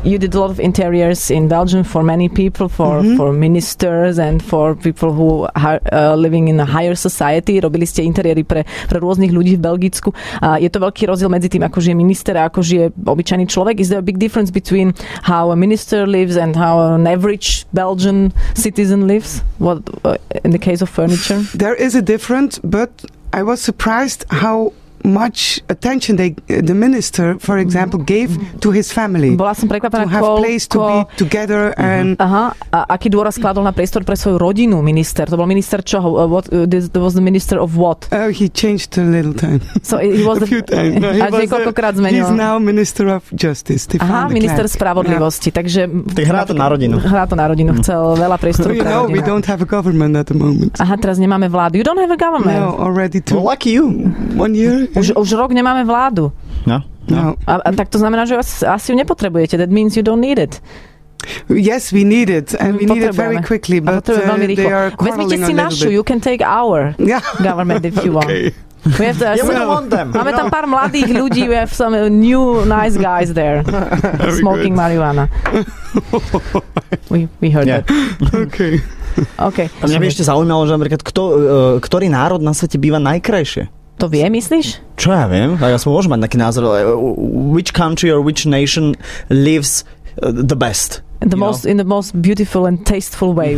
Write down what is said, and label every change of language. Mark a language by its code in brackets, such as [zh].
[en] you did a lot of interiors in Belgium for many people, for for ministers and for people who are living in a higher society. [sk] Robili ste interiéry pre rôznych ľudí v Belgicku. Je to veľký rozdiel medzi tým, ako žije minister a ako žije obyčajný človek? [en] Is there a big difference between how a minister lives and how an average Belgian citizen lives? What in the case of furniture? There is a difference, but I was surprised how much attention they, the minister, for example, gave to his family. [sk] Bola som prekvapená, [en] to have place to be together and... [sk] Aký dôraz kladol na priestor pre svoju rodinu minister? To bol minister čoho? [en] This was the minister of what? He changed a little time. So he was a few times. [sk] No, až niekoľkokrát zmenil. [en] He's now minister of justice. They aha, minister clerk. [sk] Spravodlivosti. Yeah. Takže... Tak hrá to na rodinu. Hrá to na rodinu. Chcel veľa priestoru pre rodinu. [en] We don't have a government at the moment. [sk] Aha, teraz nemáme vládu. [en] You don't have a government. No, already too. Well, lucky you. One year. [sk] Už rok nemáme vládu. [en] No. [sk] A tak to znamená, že asi ju nepotrebujete. [en] That means you don't need it. Yes, we need it. And we need it very quickly. But they are quarreling a little bit. [sk] Vezmite si našu. [en] You can take our government if you want. Okay. We have the, we don't want them. [sk] Máme tam pár mladých ľudí. [en] We have some new nice guys there. Smoking marijuana. We heard that. Okay. Okay. [sk] A mňa by ešte zaujímalo, že napríklad, ktorý národ na svete býva najkrajšie? To vie, myslíš? Čo ja viem? Tak ja som môžem mať taký názor. [en] Which country or which nation lives the best? The most, in the most beautiful and tasteful way.